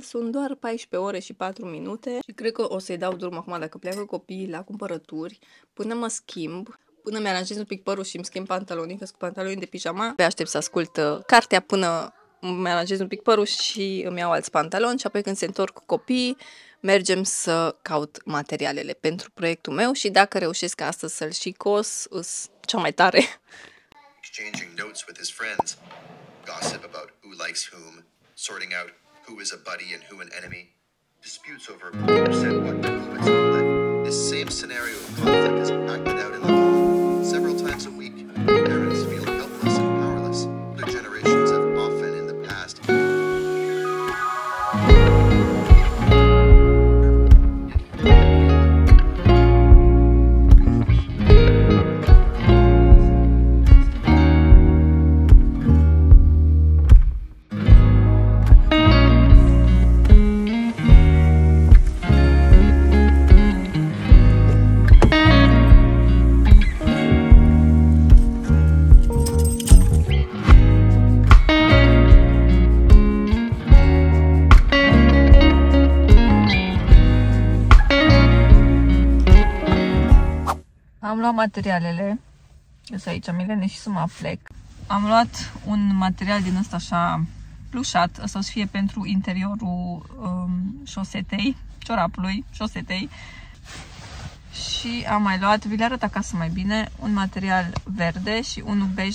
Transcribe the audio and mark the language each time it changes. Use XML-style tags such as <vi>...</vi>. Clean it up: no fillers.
<ro>Sunt doar 14 ore și 4 minute și cred că o să-i dau drum acum dacă pleacă copiii la cumpărături până mă schimb, până mi-aranjez un pic părul și îmi schimb pantalonii, că sunt cu pantaloni de pijama. Pe aștept să ascult cartea până mi-aranjez un pic părul și îmi iau alți pantaloni și apoi când se întorc copiii, mergem să caut materialele pentru proiectul meu și dacă reușesc astăzi să-l și cos, îs cea mai tare.</ro> <en>Exchanging notes with his friends. Gossip about who likes whom, sorting out who is a buddy and who an enemy, disputes over books and what movements to let. This same scenario of conflict is acted out in the home several times a week. Parents feel helpless and powerless. Their generations have often in the past</en> <ro>materialele. Eu sunt aici, Milene, și să mă aflec. Am luat un material din ăsta așa plușat. Ăsta o să fie pentru interiorul șosetei, ciorapului, șosetei. Și am mai luat, vi le arăt acasă mai bine, un material verde și unul bej.</ro>